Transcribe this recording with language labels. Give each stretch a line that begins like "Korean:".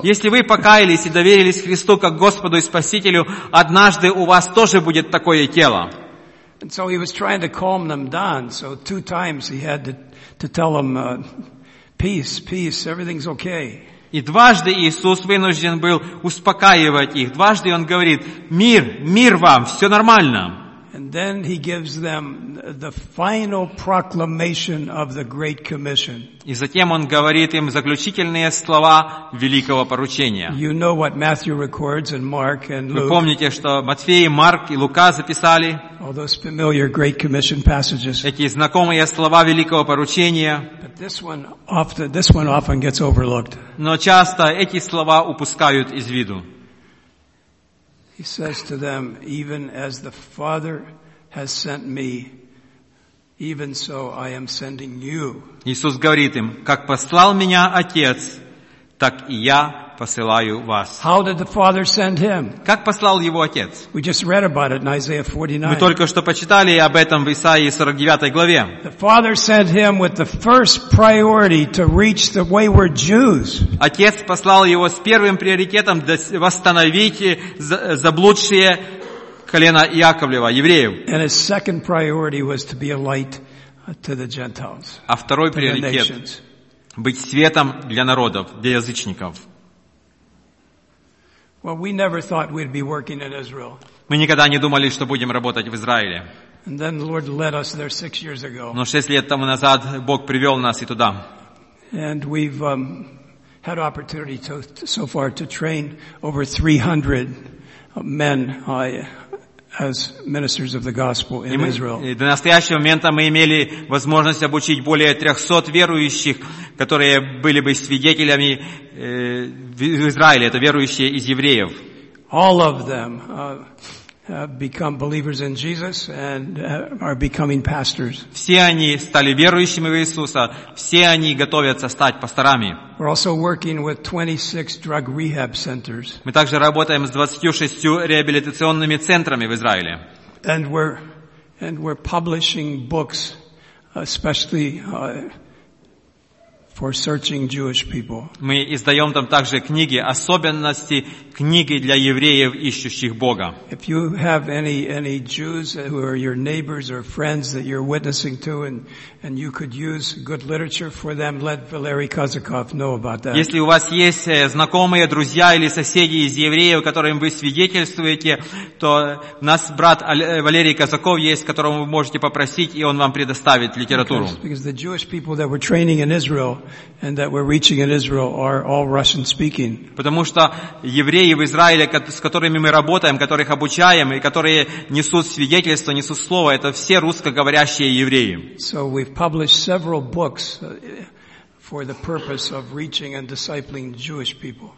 Russian: Если вы покаялись и доверились Христу как Господу и Спасителю, однажды у вас тоже будет такое тело.
English: And so he was trying to calm them down. So two times he had to tell them, peace, peace, everything's okay.
Russian: И дважды Иисус вынужден был успокаивать их. Дважды он говорит: «Мир, мир вам, все нормально».
English: And then he gives them the final proclamation of the Great Commission.
Russian: И затем он говорит им заключительные слова великого поручения.
English: You know what Matthew records and Mark and Luke.
Russian: Вы помните, что Матфей, Марк и Лука записали?
English: All those familiar Great Commission passages.
Russian: Эти знакомые слова великого поручения.
English: But this one often gets overlooked.
Russian: Но часто эти слова упускают из виду.
English: He says to them, even as the Father has sent me, even so I am sending you.
Russian: Иисус говорит им, как послал меня Отец, так и я посылаю вас.
English: How did the Father send him?
Russian: Как послал его Отец?
English: We just read about it in Isaiah 49.
Russian: Мы только что почитали об этом в Исаии 49 главе.
English: The Father sent him with the first priority to reach the wayward Jews.
Russian: Отец послал его с первым приоритетом восстановить заблудшие колено Иаковлева, евреев.
English: And his second priority was to be a light to the Gentiles.
Russian: А второй приоритет быть светом для народов, для язычников.
English: Well, we never thought we'd be working in Israel.
Russian: Мы никогда не думали, что будем работать в Израиле.
English: And then the Lord led us there 6 years ago.
Russian: Но 6 лет тому назад Бог привел нас и туда.
English: And we've had opportunity so far to train over 300 men as ministers of the gospel in Israel.
Russian: И до настоящего момента мы имели возможность обучить более 300 верующих, которые были бы свидетелями в Израиле, это верующие из евреев.
English: All of them have become believers in Jesus and are becoming pastors.
Russian: Все они стали верующими в Иисуса, все они готовятся стать пасторами.
English: We're also working with 26 drug rehab centers.
Russian: Мы также работаем с 26 реабилитационными центрами в Израиле.
English: And we're publishing books, especially for searching Jewish people.
Russian: Мы издаем там также книги, особенности книги для евреев, ищущих Бога.
English: If you have any Jews who are your neighbors or friends that you're witnessing to, and you could use good literature for them, let Valery Kozakov know about that.
Russian: Если у вас есть знакомые, друзья или соседи из евреев, которым вы свидетельствуете, то у нас брат Валерий Казаков есть, которому вы можете попросить, и он вам предоставит литературу.
English: Because the Jewish people that we're training in Israel and that we're reaching in Israel are all Russian speaking.
Russian: Потому что евреи в Израиле, с которыми мы работаем, которых обучаем и которые несут свидетельство, несут слово, это все русскоговорящие евреи.
English: So we've published several books for the purpose of reaching and discipling Jewish people.